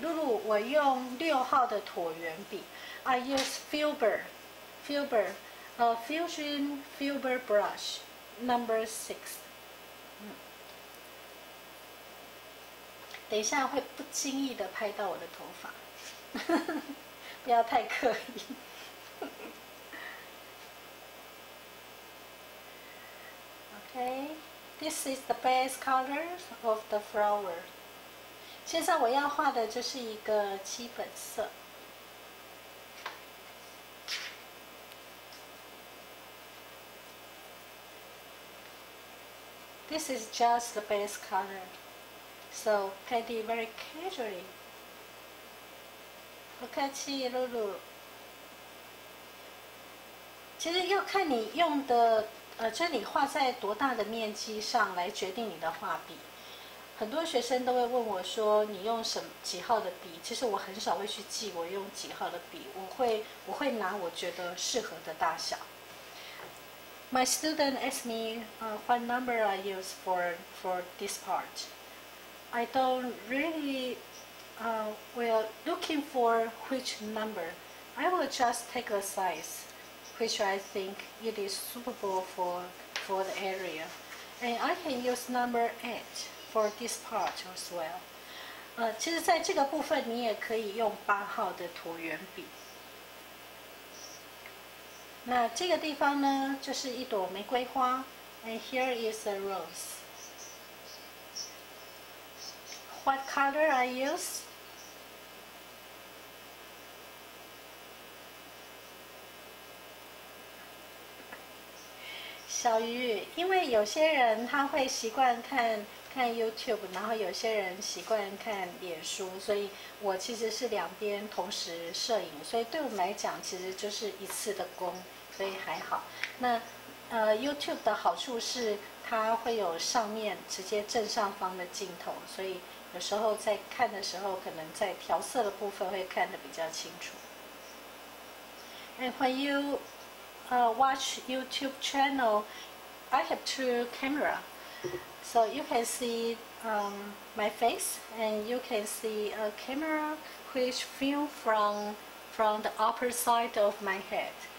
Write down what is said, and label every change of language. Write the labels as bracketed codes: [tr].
[zh] 露露，我用六号的椭圆笔 ， [en] I use Fusion Filbert Brush Number Six。 [zh] 等一下会不经意的拍到我的头发，不要太刻意。 [en] Okay, this is the best color of the flower. [zh] 现在我要画的就是一个基本色。 [en] This is just the best color. So, paint it very casually. [zh] 不客气，露露。其实要看你用的，就你画在多大的面积上来决定你的画笔。很多学生都会问我说，你用什么几号的笔？其实我很少会去记我用几号的笔，我会拿我觉得适合的大小。 [en] My student asked me, what number I use for this part. I don't really well looking for which number. I will just take a size which I think it is suitable for the area. And I can use number 8 for this part as well. [zh] 其实在这个部分你也可以用八号的椭圆笔。那这个地方呢就是一朵玫瑰花 [en] and here is a rose. What color I use? [zh] Xiao Yu, 因为有些人他会习惯看 YouTube, 然后有些人习惯看脸书，所以我其实是两边同时摄影，所以对我们来讲其实就是一次的工，所以还好。那YouTube 的好处是它会有上面直接正上方的镜头，所以有时候在看的时候，可能在调色的部分会看得比较清楚。 [en] And when you watch YouTube channel, I have two camera, so you can see my face, and you can see a camera which film from the upper side of my head.